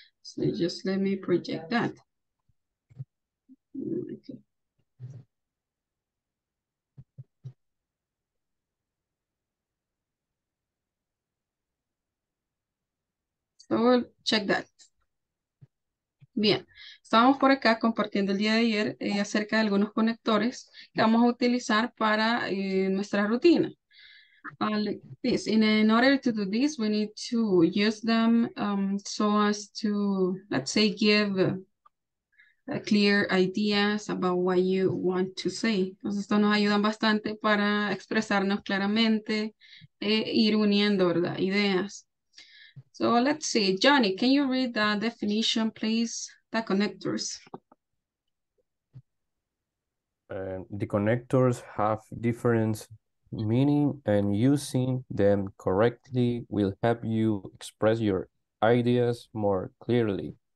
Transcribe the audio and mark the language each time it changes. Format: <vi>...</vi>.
<en>So just let me project that. So we'll check that.</en> <es>Bien, estábamos por acá compartiendo el día de ayer acerca de algunos conectores que vamos a utilizar para nuestra rutina.</es> <en>Like this. In order to do this, we need to use them so as to, let's say, give clear ideas about what you want to say.</en> <es>Entonces, esto nos ayuda bastante para expresarnos claramente e ir uniendo, ¿verdad? Ideas.</es> <en>So let's see, Johnny, can you read the definition, please, the connectors? The connectors have different meaning, and using them correctly will help you express your ideas more clearly.</en>